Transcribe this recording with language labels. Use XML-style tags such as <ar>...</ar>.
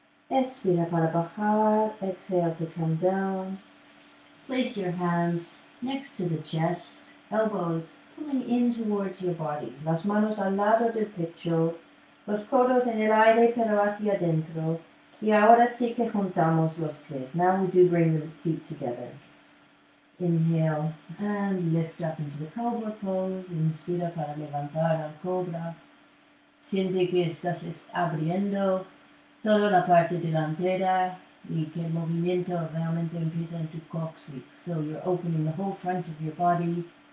<es>Espira para bajar,</es> <en>exhale to come down. Place your hands next to the chest, elbows pulling in towards your body.</en> <es>Las manos al lado del pecho, los codos en el aire pero hacia adentro. Y ahora sí que juntamos los pies.</es> <en>Now we do bring the feet together. Inhale and lift up into the cobra pose. Inspira para levantar al cobra.</en> <es>Siente que estás abriendo toda la parte delantera y que el movimiento realmente empieza en tu coccyx.</es> <en>So you're opening the whole front of your body.</en>